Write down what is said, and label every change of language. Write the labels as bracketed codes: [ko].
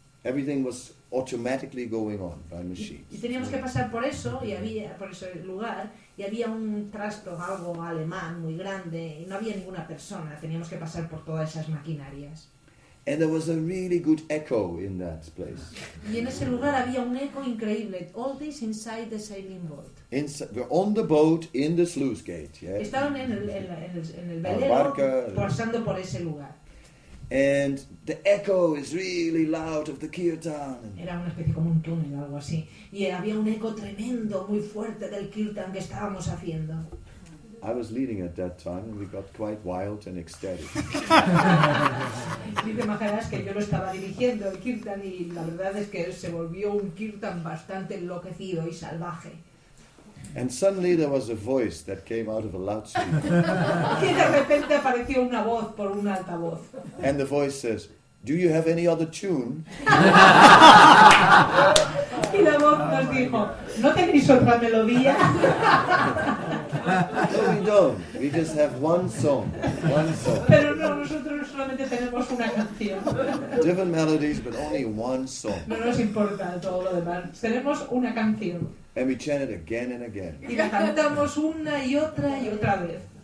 [en] Everything was automatically going on by machines. [es] Y teníamos que pasar por eso, y había por ese lugar. Y había un trasto, algo alemán, muy grande, y no había ninguna persona. Teníamos que pasar por todas esas maquinarias. [en] And there was a really good echo in that place. [es] Y en ese lugar había un eco increíble. [en] All this inside the sailing boat. We're on the boat, in the sluice gate. Yeah. [es] Estaban en el velero, pasando por ese lugar. [en] And the echo is really loud of the kirtan. [es] Era una especie como un túnel, algo así. Y había un eco tremendo, muy fuerte del kirtan que estábamos haciendo. [en] I was leading at that time, and we got quite wild and ecstatic. [es] Dice Maharaj que yo lo estaba dirigiendo el kirtan, y la verdad es que se volvió un kirtan bastante enloquecido y salvaje. [en] And suddenly there was a voice that came out of a loudspeaker. [es] Y de repente apareció una voz por un altavoz. [en] And the voice says, "Do you have any other tune?" [es] Y la voz nos dijo, "¿No tenéis otra melodía?" [en] No, we don't. We just have one song. One song. [es] Pero no, nosotros solamente tenemos una canción. [en] Different melodies, but only one song. [es] No nos importa todo lo demás. Tenemos una canción. [en] And we chant it again and again. [es] Y la cantamos una y otra vez.